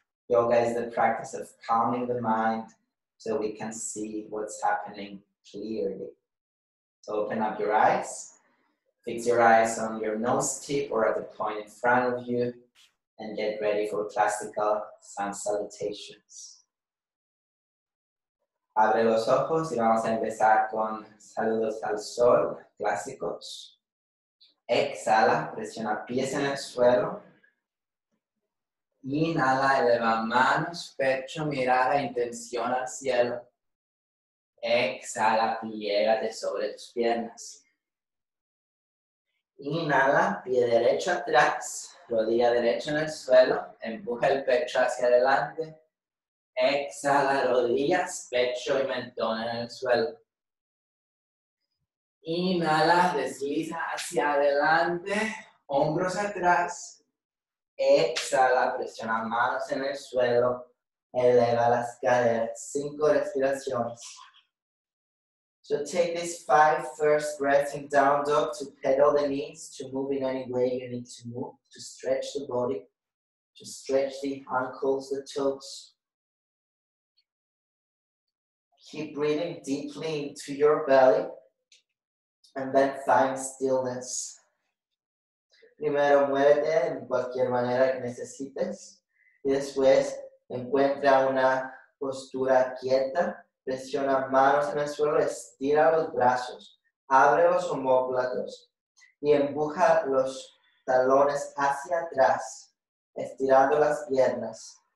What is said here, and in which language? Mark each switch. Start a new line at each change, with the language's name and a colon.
English: Yoga is the practice of calming the mind so we can see what's happening clearly. So open up your eyes. Fix your eyes on your nose tip or at the point in front of you, and get ready for classical sun salutations.
Spanish: Abre los ojos y vamos a empezar con saludos al sol, clásicos. Exhala, presiona pies en el suelo. Inhala, eleva manos, pecho, mirada, intención al cielo. Exhala, pliégate sobre tus piernas. Inhala, pie derecho atrás, rodilla derecha en el suelo, empuja el pecho hacia adelante. Exhala, rodillas, pecho y mentón en el suelo. Inhala, desliza hacia adelante, hombros atrás. Exhala, presiona manos en el suelo, eleva las caderas, 5 respiraciones.
English: So take these 5 first breaths in down dog to pedal the knees, to move in any way you need to move, to stretch the body, to stretch the ankles, the toes. Keep breathing deeply into your belly and then find stillness.
Spanish: Primero muévete en cualquier manera que necesites y después encuentra una postura quieta. Presiona manos en el suelo, estira los brazos, abre los omóplatos y empuja los talones hacia atrás, estirando las piernas.